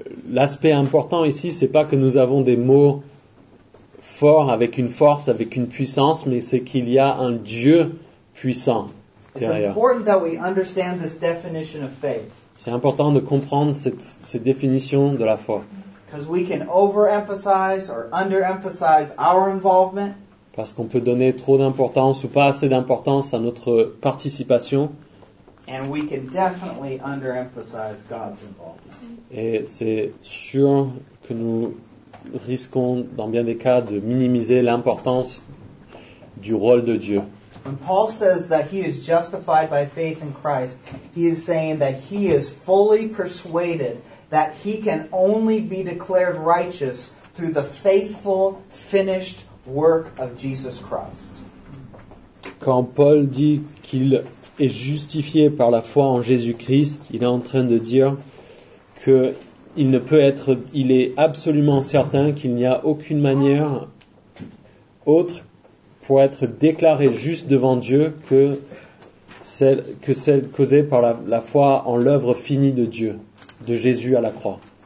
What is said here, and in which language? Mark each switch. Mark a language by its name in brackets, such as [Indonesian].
[French] L'aspect important ici, c'est pas que nous avons des mots forts avec une force, avec une puissance, mais c'est qu'il y a un Dieu puissant derrière. [English] It's important that we understand this definition of faith. [French] C'est important de comprendre cette définition de la foi. [English] Because we can overemphasize or underemphasize our involvement. [French] Parce qu'on peut donner trop d'importance ou pas assez d'importance à notre participation. [English] And we can definitely underemphasize God's involvement. [French] Et c'est sûr que nous risquons, dans bien des cas, de minimiser l'importance du rôle de Dieu. [English] When Paul says that he is justified by faith in Christ, he is saying that he is fully persuaded that he can only be declared righteous through the faithful, finished work of Jesus Christ. [French] Quand Paul dit qu'il est justifié par la foi en Jésus-Christ, il est en train de dire qu'il ne peut être, il est absolument certain qu'il n'y a aucune manière autre pour être déclaré juste devant Dieu que celle causée par la foi en l'œuvre finie de Dieu, de Jésus à la croix.